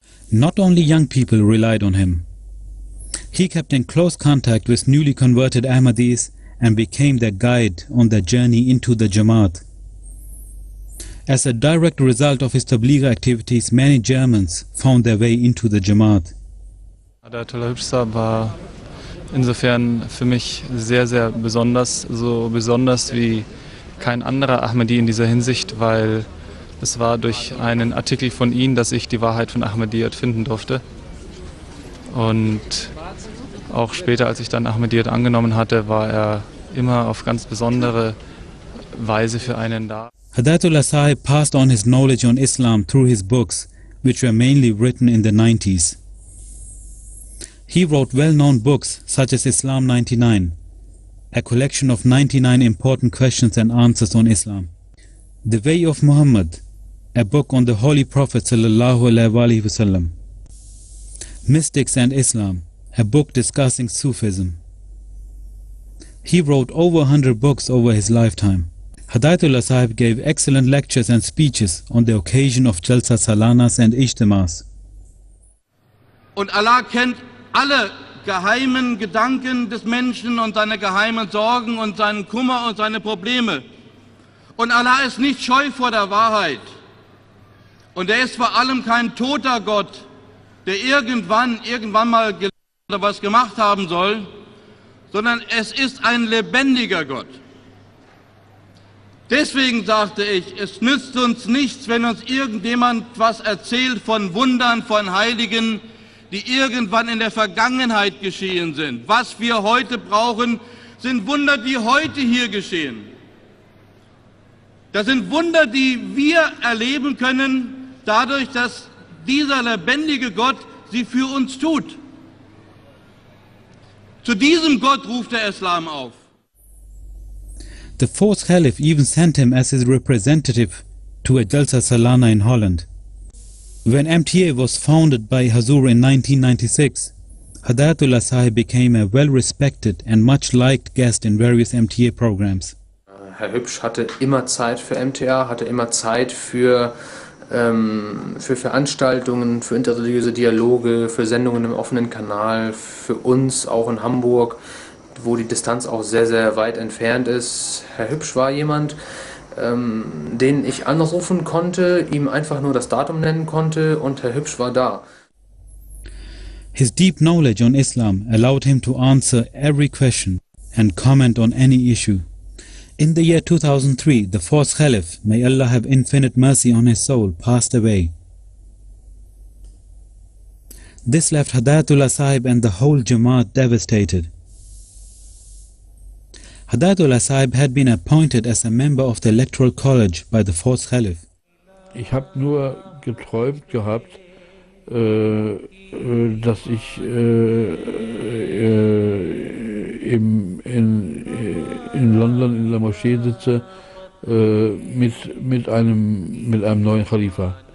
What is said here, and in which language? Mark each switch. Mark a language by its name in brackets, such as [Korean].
[English] Not only young people relied on him. He kept in close contact with newly converted Ahmadis and became their guide on their journey into the Jamaat. As a direct result of his tabligh activities, many Germans found their way into the Jamaat. [German] Hadayatullah Hubsch war insofern für mich sehr, sehr besonders, so besonders wie kein anderer Ahmadi in dieser Hinsicht, weil es war durch einen Artikel von ihm, dass ich die Wahrheit von Ahmadiyyat finden durfte. Und auch später, als ich dann Ahmadiyyat angenommen hatte, war er immer auf ganz besondere Weise für einen da. [English] Hadayatullah Sahib passed on his knowledge on Islam through his books, which were mainly written in the 90s. He wrote well-known books such as Islam 99, a collection of 99 important questions and answers on Islam. The Way of Muhammad, a book on the Holy Prophet sallallahu alaihi wasallam. Mystics and Islam, a book discussing Sufism. He wrote over 100 books over his lifetime. Hadayatullah Sahib gave excellent lectures and speeches on the occasion of Jalsa Salanas and Ijtimas. [German] Und Allah kennt alle geheimen Gedanken des Menschen und seine geheimen Sorgen und seinen Kummer und seine Probleme. Und Allah ist nicht scheu vor der Wahrheit. Und er ist vor allem kein toter Gott, der irgendwann mal gelernt oder was gemacht haben soll, sondern es ist ein lebendiger Gott. Deswegen sagte ich, es nützt uns nichts, wenn uns irgendjemand was erzählt von Wundern, von Heiligen, die irgendwann in der Vergangenheit geschehen sind. Was wir heute brauchen, sind Wunder, die heute hier geschehen. Das sind Wunder, die wir erleben können, dadurch, dass dieser lebendige Gott sie für uns tut. Zu diesem Gott ruft der Islam auf. [English] The fourth caliph even sent him as his representative to a Jalsa Salana in Holland. When MTA was founded by Hazur in 1996, Hadayatullah Sahib became a well-respected and much-liked guest in various MTA programs. [German] Herr Hübsch hatte immer Zeit für MTA, hatte immer Zeit für für Veranstaltungen, für interreligiöse Dialoge, für Sendungen im offenen Kanal, für uns auch in Hamburg, wo die Distanz auch sehr, sehr weit entfernt ist. Herr Hübsch war jemand, den ich anrufen konnte, ihm einfach nur das Datum nennen konnte und Herr Hübsch war da. [English] His deep knowledge on Islam allowed him to answer every question and comment on any issue. In the year 2003, the fourth caliph, may Allah have infinite mercy on his soul, passed away. This left Hadayatullah Sahib and the whole Jamaat devastated. Hadayatullah Sahib had been appointed as a member of the Electoral College by the fourth caliph. [German] Ich habe nur geträumt gehabt, dass ich in London in der Moschee sitze mit einem neuen Khalifa.